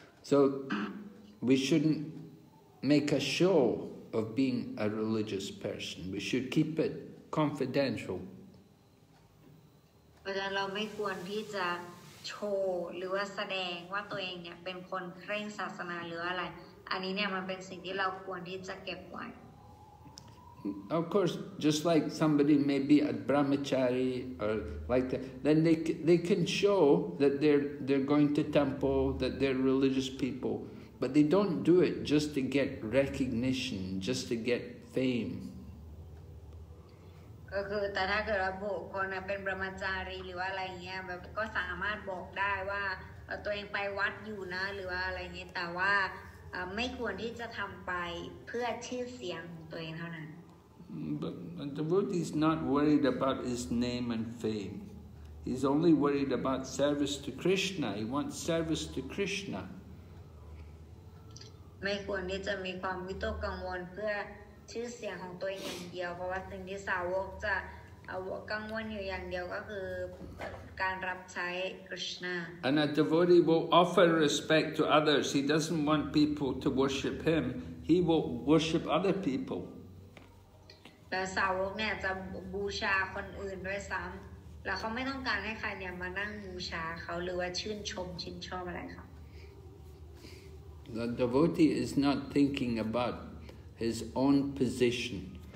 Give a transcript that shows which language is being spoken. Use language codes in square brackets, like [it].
[en] So we shouldn't make a show of being a religious person. We should keep it confidential. [th] เพราะเราไม่ควรที่จะโชว์หรือว่าแสดงว่าตัวเองเนี่ยเป็นคนเคร่งศาสนาหรืออะไรอันนี้เนี่ยมันเป็นสิ่งที่เราควรที่จะเก็บไว้ [en] Of course, just like somebody may be a brahmachari or like that, then they can show that they're going to temple, that they're religious people, but they don't do it just to get recognition, just to get fame. [th] ก็คือแต่ถ้าเกิดว่าบุคคลเป็นบรมจารีหรือว่าอะไรเงี้ยแบบก็สามารถบอกได้ว่าตัวเองไปวัดอยู่นะหรือว่าอะไรเงี้ยแต่ว่าไม่ควรที่จะทำไปเพื่อชื่อเสียงของตัวเองเท่านั้น [en] But a devotee is not worried about his name and fame. He's only worried about service to Krishna. He wants service to Krishna. [th] ไม่ควรที่จะมีความวิตกกังวลเพื่อชื่อเสียงของตัวเองอย่างเดียวเพราะว่าสิ่งที่สาวกจะกังวลอยู่อย่างเดียวก็คือการรับใช้ Krishna. [en] And a devotee will offer respect to others. He doesn't want people to worship him. he will worship other people. The devotee is not thinking about his own position.